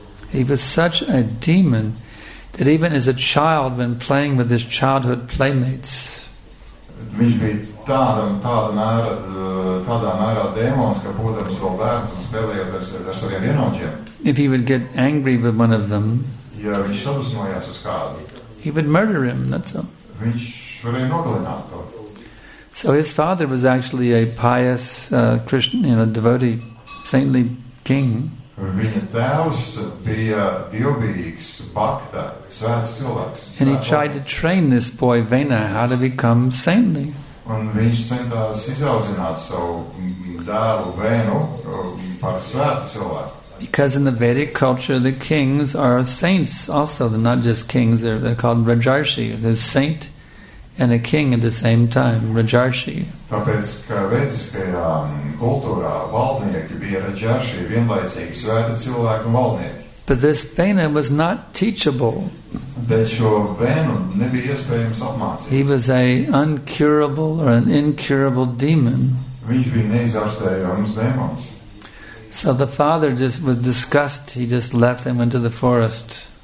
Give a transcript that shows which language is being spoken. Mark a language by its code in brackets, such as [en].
[en] He was such a demon that even as a child, when playing with his childhood playmates, [lv] viņš bija tādā mērā dēmons, ka būdams vēl bērns un spēlējot ar saviem vienoģiem. [en] If he would get angry with one of them, [lv] ja viņš sabusmojās uz kādu, [en] he would murder him, that's all. [lv] Viņš varēja nogalināt to. [en] So his father was actually a pious Christian, you know, devotee, saintly king. [lv] Viņa tēvs bija dievbijīgs, bakta, svēts cilvēks. [en] And he tried to train this boy Vena how to become saintly. [lv] Un viņš centās izaudzināt savu dēlu Venu par svētu cilvēku. [en] Because in the Vedic culture, the kings are saints also. They're not just kings, they're called Rajarshi. There's saint and a king at the same time, Rajarshi. [lv] Tāpēc, ka vediskajā kultūrā valdnieki bija Rajarshi, vienlaicīgi svēta cilvēku valdnieki. [en] But this Vena was not teachable. [lv] Bet šo Venu nebija iespējams apmācīt. [en] He was a uncurable or an incurable demon. [lv] Viņš bija neizārstējams demons. [en] So the father just was disgusted. He just left him into the forest.